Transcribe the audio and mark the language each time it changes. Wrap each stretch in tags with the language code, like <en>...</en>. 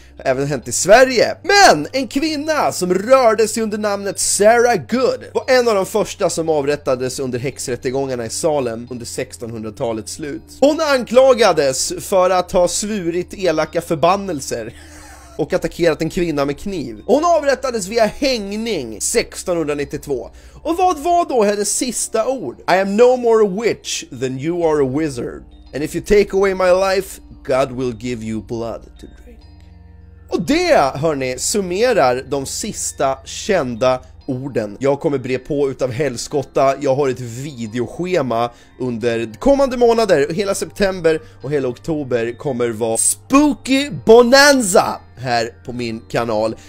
<sv>Även hänt i Sverige. Men en kvinna som rörde sig under namnet Sarah Good var en av de första som avrättades under häxrättegångarna i Salem under 1600-talets slut. Hon anklagades för att ha svurit elaka förbannelser och attackerat en kvinna med kniv. Hon avrättades via hängning 1692. Och vad var då hennes sista ord?</sv> <en>I am no more a witch than you are a wizard, and if you take away my life, God will give you blood to drink.</en> <sv>Och det, hörni, summerar de sista kända orden. Jag kommer bre på utav helskotta. Jag har ett videoschema under kommande månader. Hela september och hela oktober kommer vara spooky bonanza här på min kanal.</sv>